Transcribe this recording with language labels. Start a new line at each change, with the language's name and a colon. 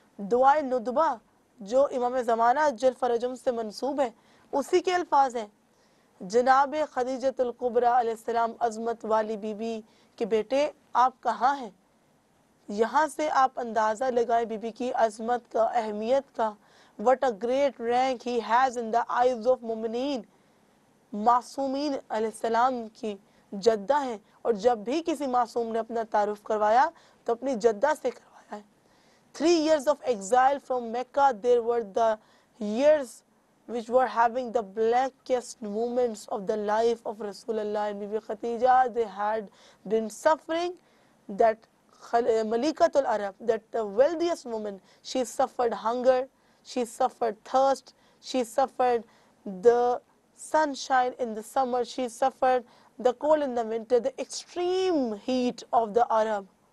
Urdu: دعائے ندبہ جو امام زمانہ اجل فرجم سے منصوب ہے اسی کے الفاظ ہیں, جناب خدیجۃ القبریٰ علیہ السلام عظمت والی بی بی کے بیٹے آپ کہاں ہیں؟ یہاں سے آپ اندازہ لگائیں بی بی کی عظمت کا, اہمیت کا.
English: What a great rank he has in the eyes of مومنین.
Urdu: معصومین علیہ السلام کی جدہ ہیں, اور جب بھی کسی معصوم نے اپنا تعارف کروایا تو اپنی جدہ سے کروایا ہے.
English: 3 years of exile from Mecca, there were the years which were having the blackest moments of the life of Rasulullah and Bibi Khadija. They had been suffering that Malikatul Arab, that the wealthiest woman, she suffered hunger, she suffered thirst, she suffered the sunshine in the summer, she suffered the cold in the winter, the extreme heat of the Arab.